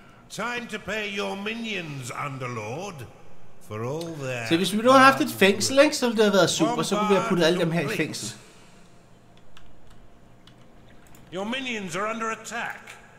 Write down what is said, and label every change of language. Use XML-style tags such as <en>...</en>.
<en>Time to pay your minions, Underlord. For all their...</en> <da>Så hvis vi nu har haft et fængsel, ikke, så ville det have været super, så kunne vi have puttet alle dem her i fængsel.</da> <en>Your minions are under attack.</en>